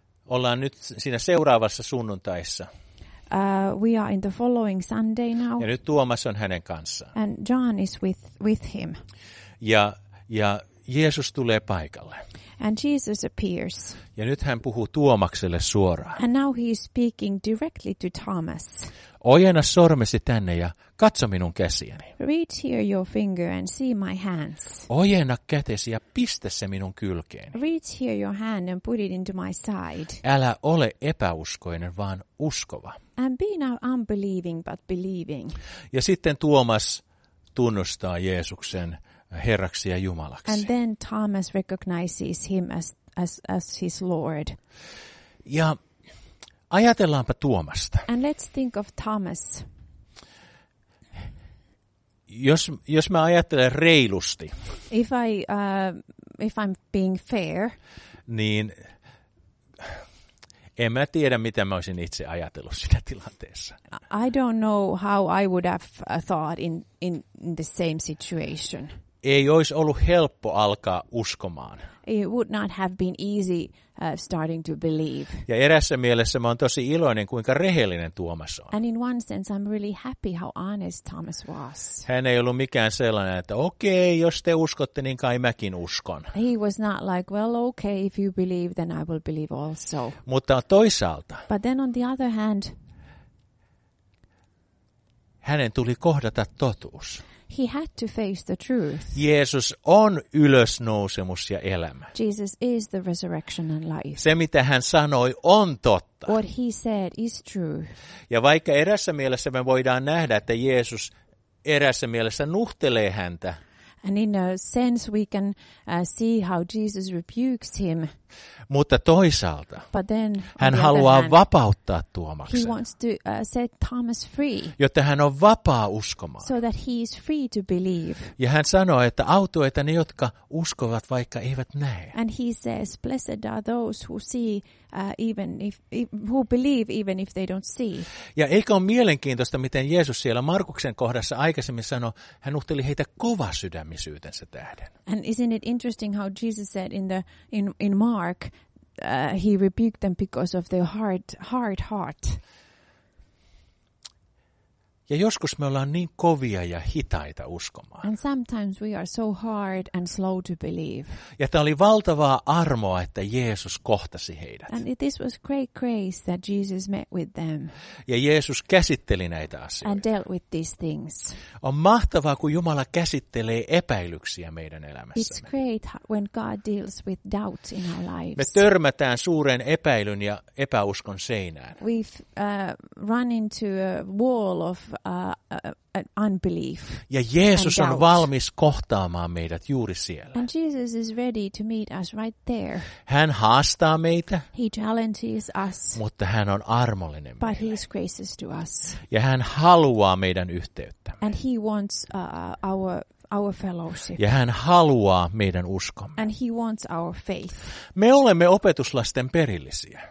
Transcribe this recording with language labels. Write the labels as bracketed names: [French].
[Finnish] Ollaan nyt siinä seuraavassa sunnuntaissa. [English] We are in the following Sunday now. [Finnish] Ja nyt Tuomas on hänen kanssaan. [English] And John is with him. [Finnish] Ja Jeesus tulee paikalle. [English] And Jesus appears. [Finnish] Ja nyt hän puhuu Tuomakselle suoraan. [English] And now he is speaking directly to Thomas. [Finnish] Ojenna sormesi tänne ja katso minun käsiäni. [English] Reach here your finger and see my hands. [Finnish] Ojenna kätesi ja pistä se minun kylkeeni. [English] Reach here your hand and put it into my side. [Finnish] Älä ole epäuskoinen, vaan uskova. [English] And be not unbelieving, but believing. [Finnish] Ja sitten Tuomas tunnustaa Jeesuksen Herraksi ja Jumalaksi. [English] And then Thomas recognizes him as his Lord. [Finnish] Ja ajatellaanpa Tuomasta. [English] And let's think of Thomas. [Finnish] Jos mä ajattelen reilusti. [English] If I'm being fair. [Finnish] Niin en mä tiedä mitä mä olisin itse ajatellut siinä tilanteessa. [English] I don't know how I would have thought in the same situation. [Finnish] Ei olisi ollut helppo alkaa uskomaan. [English] It would not have been easy starting to believe. [Finnish] Ja erässä mielessä mä oon tosi iloinen, kuinka rehellinen Tuomas on. [English] And in one sense I'm really happy how honest Thomas was. [Finnish] Hän ei ollut mikään sellainen, että okei, jos te uskotte, niin kai mäkin uskon. [English] He was not like, well, okay, if you believe, then I will believe also. [Finnish] Mutta toisaalta. [English] But then on the other hand. [Finnish] Hänen tuli kohdata totuus. [English] He had to face the truth. [Finnish] Jeesus on ylösnousemus ja elämä. [English] Jesus is the resurrection and life. [Finnish] Se mitä hän sanoi on totta. [English] What he said is true. [Finnish] Ja vaikka erässä mielessä me voidaan nähdä, että Jeesus erässä mielessä nuhtelee häntä. [English] And in a sense we can see how Jesus rebukes him. [Finnish] Mutta toisaalta [English] but then, [Finnish] hän haluaa vapauttaa Tuomaksen. [English] He wants to set Thomas free. [Finnish] Jotta hän on vapaa uskomaan. [English] So that he is free to believe. [Finnish] Ja hän sanoo, että autuaita ne, jotka uskovat, vaikka eivät näe. [English] And he says, blessed are those who see even if who believe even if they don't see. [Finnish] Ja eikö ole mielenkiintoista, miten Jeesus siellä Markuksen kohdassa aikaisemmin sanoi, hän uhteli heitä kova sydämisyytensä tähden. [English] And isn't it interesting how Jesus said in Mark, he rebuked them because of their hard heart. [Finnish] Ja joskus me ollaan niin kovia ja hitaita uskomaan. [English] And sometimes we are so hard and slow to believe. [Finnish] Ja tämä oli valtavaa armoa, että Jeesus kohtasi heidät. [English] And this was great grace that Jesus met with them. [Finnish] Ja Jeesus käsitteli näitä asioita. [English] And dealt with these things. [Finnish] On mahtavaa, kun Jumala käsittelee epäilyksiä meidän elämässä. [English] It's great when God deals with doubts in our lives. [Finnish] Me törmätään suuren epäilyn ja epäuskon seinään. [English] We've run into a wall of unbelief. [Finnish] Ja Jeesus on valmis kohtaamaan meidät juuri siellä. [English] And Jesus is ready to meet us right there. [Finnish] Hän haastaa meitä. [English] He challenges us. [Finnish] Mutta hän on armollinen meille. [English] But he is gracious to us. [Finnish] Ja hän haluaa meidän yhteyttä. [English] And he wants our fellowship. [Finnish] Ja hän haluaa meidän uskomme. [English] And he wants our faith. [Finnish] Me olemme opetuslasten perillisiä.